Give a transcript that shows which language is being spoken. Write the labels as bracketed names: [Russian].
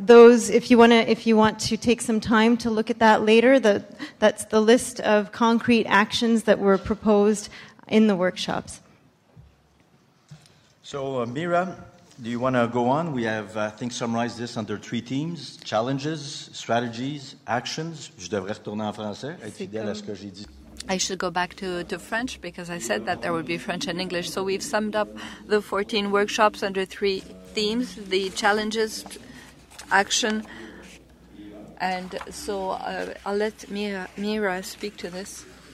[English] If you want to take some time to look at that later, that's the list of concrete actions that were proposed in the workshops. So, Mira, do you want to go on? We have, I think, summarized this under three themes: challenges, strategies, actions. [French] Je devrais retourner en français, être fidèle à ce que j'ai dit. [English] I should go back to French, because I said that there would be French and English. So we've summed up the 14 workshops under three themes: the challenges, action, and so I'll let Mira speak to this.